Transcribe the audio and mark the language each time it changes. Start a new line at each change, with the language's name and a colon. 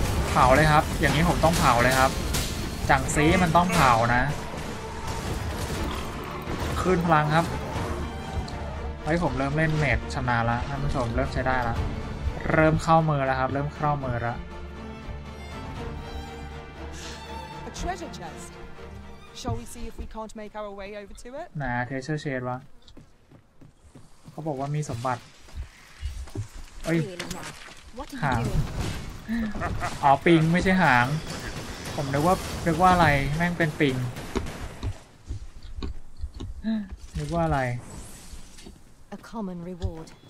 Thai: เผาเลยครับอย่างนี้ผมต้องเผาเลยครับจังซีมันต้องเผานะคืนพลังครับไอ้ผมเริ่มเล่นเมจชนะแล้วท่านผู้ชมเริ่มใช้ได้แล้วเริ่มเข้ามือแล้วครับเริ่มเข้ามือแล้ว
English: A treasure chest. Shall we see if we can't make our way over to it?
Thai: นะ treasure chest วะเขาบอกว่ามีสมบัติเอ้ยหางอ๋อปิงไม่ใช่หางผมนึกว่าอะไรแม่งเป็นปิงนึกว่าอะไร
English: A common reward.